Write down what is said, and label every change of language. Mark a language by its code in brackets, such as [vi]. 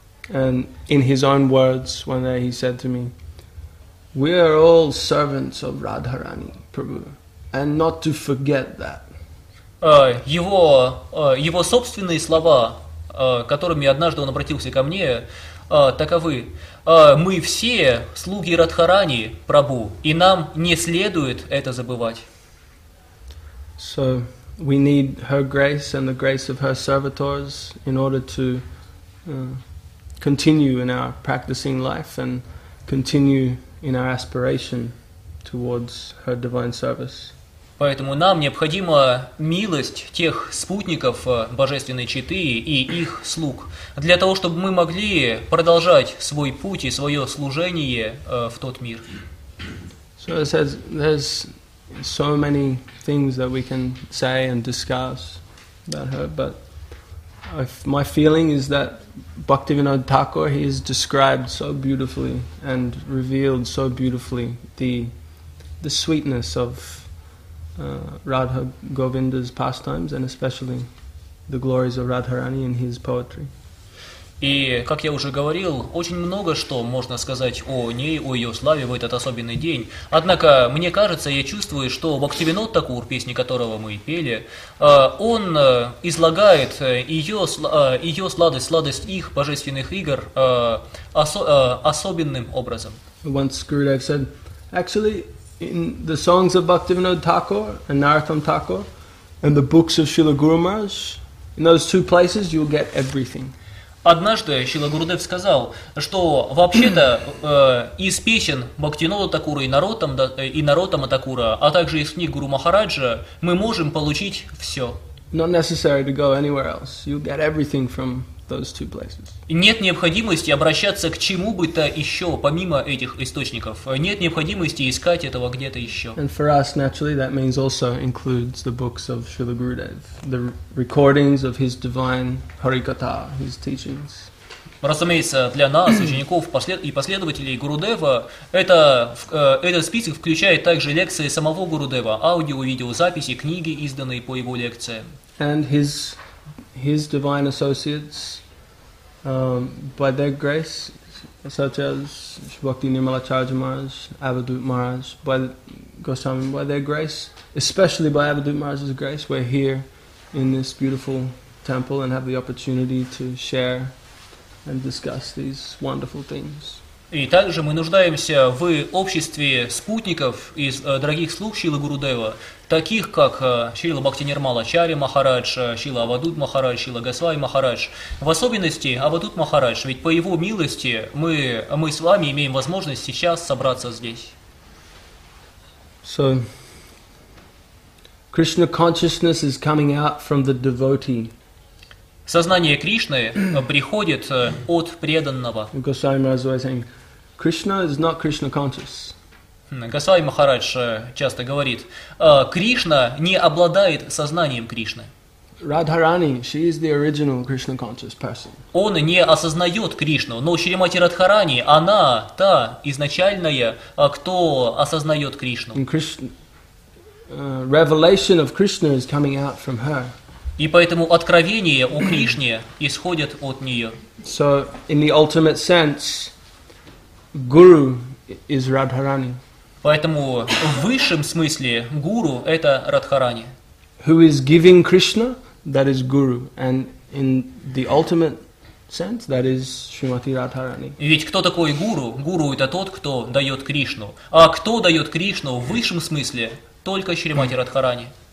[en] And in his own words, one day he said to me, "We are all servants of Radharani Prabhu, and not to forget that." [ru] Его собственные слова, которыми однажды он обратился ко мне, таковы. Мы все слуги Радхарани, Прабху, и нам не следует это забывать. [en] So we need her grace and the grace of her servitors in order to continue in our practicing life and continue in our aspiration towards her divine service. [ru] Поэтому нам необходима милость тех спутников Божественной Читы и их слуг, для того, чтобы мы могли продолжать свой путь и свое служение в тот мир. [en] So it says, there's so many things that we can say and discuss about her, but My feeling is that Bhaktivinoda Thakur, he has described so beautifully and revealed so beautifully the sweetness of Radha Govinda's pastimes and especially the glories of Radharani in his poetry. [ru] И, как я уже говорил, очень много что можно сказать о ней, о ее славе в этот особенный день. Однако, мне кажется, я чувствую, что Бхактивинод Такур, песни которого мы и пели, он излагает ее сладость, сладость их божественных игр особенным образом. [en] Once Gurudev said, actually, in the songs of Bhaktivinoda Thakur and Narottam Thakur and the books of Srila Guru Maharaj, in those two places you'll get everything. [ru] Однажды Шрила Гурудев сказал, что вообще-то из песен Бхактивинода Такура и Нароттама Такура, а также из книг Гуру Махараджа, мы можем получить все. [en] Not necessary to go anywhere else. You'll get everything from those two places. [ru] Нет необходимости обращаться к чему бы то еще, помимо этих источников. Нет необходимости искать этого где-то еще. [en] And for us, naturally, that means also includes the books of Srila Gurudev, the recordings of his divine Harikatha, his teachings. [ru] Разумеется, для нас, учеников и последователей Гурудева, этот список включает также лекции самого Гурудева, аудио, видеозаписи, книги, изданные по его лекциям. [en] And his divine associates, by their grace, such as Shubhakti Nirmala Charja Maharaj, Avadhut Maharaj, by Goswami, by their grace, especially by Avadhut Maharaj's grace, we're here in this beautiful temple and have the opportunity to share and discuss these wonderful things. [ru] И также мы нуждаемся в обществе спутников из дорогих слуг Шрилы Гурудева, таких как Шрила Бхакти Нирмала Чари Махарадж, Шрила Авадут Махарадж, Шрила Госвами Махарадж. В особенности Авадут Махарадж, ведь по его милости мы с вами имеем возможность сейчас собраться здесь. [en] So, Krishna consciousness is coming out from the devotee. [ru] Сознание Кришны приходит от преданного. [en] Госвами Махарадж always saying, Krishna is not Krishna conscious. [ru] Госвами Махарадж часто говорит, Кришна не обладает сознанием Кришны. [en] Радхарани, she is the original Krishna conscious person. [ru] Он не осознает Кришну, но Шримати Радхарани, она та изначальная, кто осознает Кришну. [en] Revelation of Krishna is coming out from her. [ru] И поэтому откровения о Кришне исходят от нее. [en] So, in the ultimate sense, Guru is Radharani. [ru] Поэтому в высшем смысле Гуру – это Радхарани. [en] Who is giving Krishna, that is Guru. And in the ultimate sense, that is Srimati Radharani. [ru] Ведь кто такой Гуру? Гуру – это тот, кто дает Кришну. А кто дает Кришну в высшем смысле? Только Шримати Радхарани.